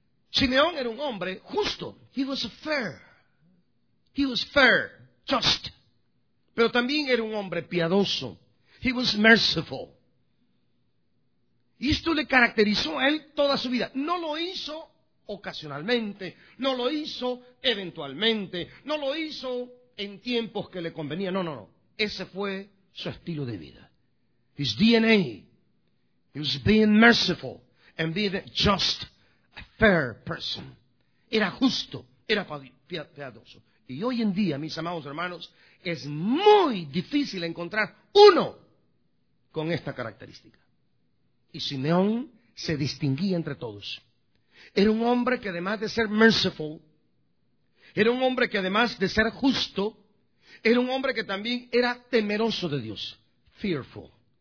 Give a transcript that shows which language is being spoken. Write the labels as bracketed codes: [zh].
[es] Simeón era un hombre justo, [en] he was fair, just, [es] pero también era un hombre piadoso, [en] he was merciful. [es] Y esto le caracterizó a él toda su vida. No lo hizo ocasionalmente, no lo hizo eventualmente, no lo hizo en tiempos que le convenía. No. Ese fue su estilo de vida. [en] His DNA. He was being merciful and being just, a fair person. [es] Era justo, era piadoso. Y hoy en día, mis amados hermanos, es muy difícil encontrar uno con esta característica. Y Simeón se distinguía entre todos. Era un hombre que además de ser merciful, era un hombre que además de ser justo, era un hombre que también era temeroso de Dios, fearful.